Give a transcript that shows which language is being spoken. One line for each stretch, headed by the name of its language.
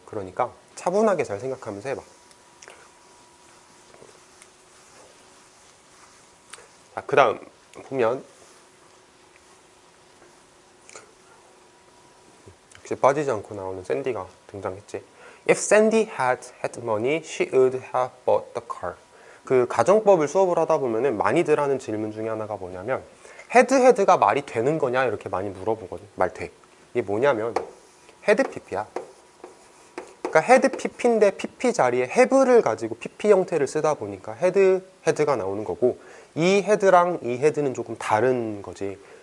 Korean: 그러니까 차분하게 잘 생각하면서 해봐. 자, 그 다음 보면 역시 빠지지 않고 나오는 샌디가 등장했지.
English: If Sandy had had money, she would have bought the car.
Korean: 그 가정법을 수업을 하다 보면은 많이들 하는 질문 중에 하나가 뭐냐면 헤드헤드가 말이 되는 거냐 이렇게 많이 물어보거든. 말 돼. 이게 뭐냐면 헤드 PP야. 그러니까 헤드 PP인데 PP 자리에 have를 가지고 PP 형태를 쓰다 보니까 헤드헤드가 나오는 거고 이 헤드랑 이 헤드는 조금 다른 거지.